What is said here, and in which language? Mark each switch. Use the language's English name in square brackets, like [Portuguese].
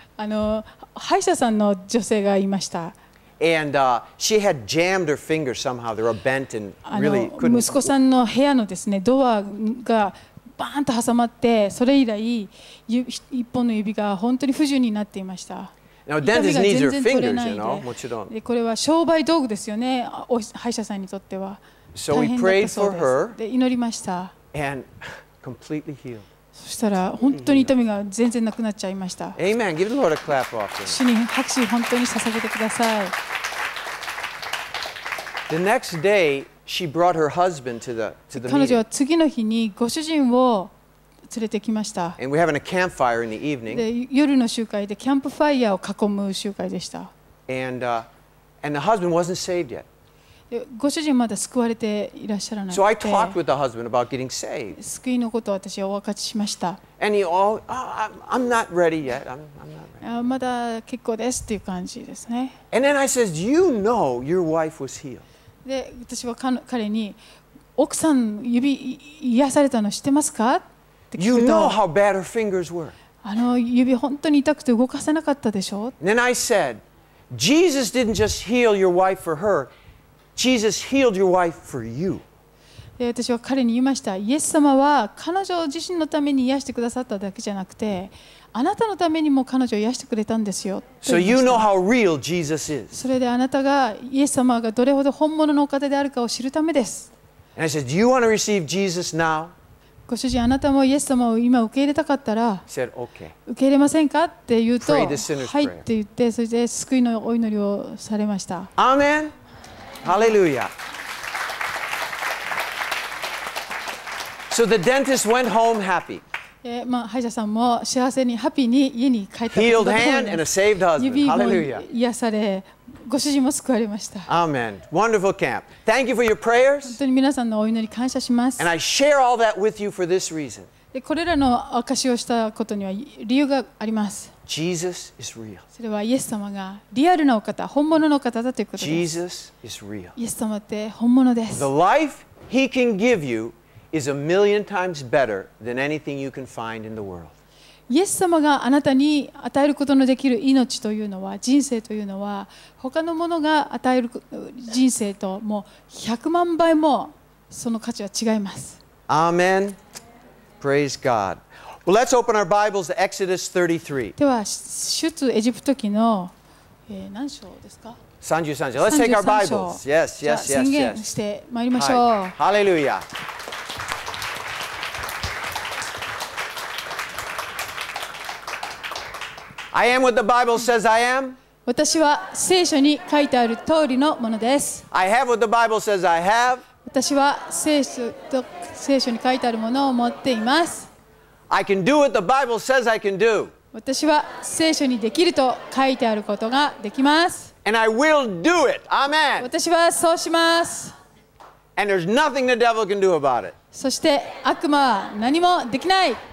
[Japanese] あの歯医者さんの女性がいました。 [English] And she had jammed her finger somehow. They were bent and really couldn't. [Japanese] 息子さんの部屋のですね、ドアがバーンと挟まって、それ以来一本の指が本当に不自由になっていました。 [English] Now, dentist needs her fingers, you know, もちろん。 [Japanese] で、これは商売道具ですよね、歯医者さんにとっては。 [English] So we prayed for her. [Japanese] で、祈りました。 [English] And completely healed. [Japanese] そしたら本当に痛みが全然なくなっちゃいました。 [English] Amen. Give the Lord a clap offering. [Japanese] 主に拍手本当に捧げてください。 [English] The next day, she brought her husband to the meeting. [Japanese] 彼女は次の日にご主人を連れてきました。 [English] And we're having a campfire in the evening. [Japanese] で夜の集会でキャンプファイヤーを囲む集会でした。 [English] And the husband wasn't saved yet. [Japanese] ご主人まだ救われていらっしゃらない。 [English] So I talked with the husband about getting saved. [Japanese] 救いのことを私はお分かちしました。 [English] And he all, oh, I'm not ready yet. I'm not ready. [Japanese] まだ結構ですっていう感じですね。 [English] And then I says, you know your wife was healed. [Japanese] で、私は彼に、奥さん指癒されたの知ってますか？って聞くと、 [English] You know how bad her fingers were. [Japanese] あの指本当に痛くて動かせなかったでしょ？ [English] Then I said, Jesus didn't just heal your wife for her. Jesus healed your wife for you. [Japanese] 私は彼に言いました。イエス様は彼女自身のために癒してくださっただけじゃなくて、あなたのためにも彼女を癒してくれたんですよ。 [English] So you know how real Jesus is. [Japanese] それであなたがイエス様がどれほど本物のお方であるかを知るためです。 [English] And I said, Do you want to receive Jesus now? [Japanese] ご主人、あなたもイエス様を今受け入れたかったら、 [English] said, okay. [Japanese] 受け入れませんかって言うと、 [English] Pray the sinner's prayer. [Japanese] はいって言って、それで救いのお祈りをされました。アーメン。Hallelujah. [English] So the dentist went home happy. [Japanese] まあ、歯医者さんも幸せに、ハッピーに家に帰った。 [English] Healed hand and a saved husband. Hallelujah. [Japanese] 指も癒され、ご主人も救われました。 [English] Amen. Wonderful camp. Thank you for your prayers. [Japanese] 本当に皆さんのお祈り感謝します。 [English] And I share all that with you for this reason. [Japanese] で、これらの証をしたことには理由があります。 [English] Jesus is real. [Japanese] それはイエス様がリアルなお方、本物のお方だということです。 [English] Jesus is real. [Japanese] イエス様って本物です。 [English] The life He can give you is a million times better than anything you can find in the world. [Japanese] イエス様があなたに与えることのできる命というのは、人生というのは、他のものが与える人生ともう100万倍もその価値は違います。 [English] Amen. Praise God. Well, let's open our Bibles to Exodus 33. [Japanese] では、出エジプト記の、何章ですか？ [English] 33章。Let's take our Bibles. Yes, yes, yes, yes. [Japanese] 宣言してまいりましょう。はい。Hallelujah. [English] I am what the Bible says I am. [Japanese] 私は聖書に書いてある通りのものです。 [English] I have what the Bible says I have. [Japanese] 私は聖書に書いてあるものを持っています。 [English] I can do what the Bible says I can do. [Japanese] 私は聖書にできると書いてあることができます。 [English] And I will do it. Amen. [Japanese] 私はそうします。 [English] And there's nothing the devil can do about it. [Japanese] そして悪魔は何もできない。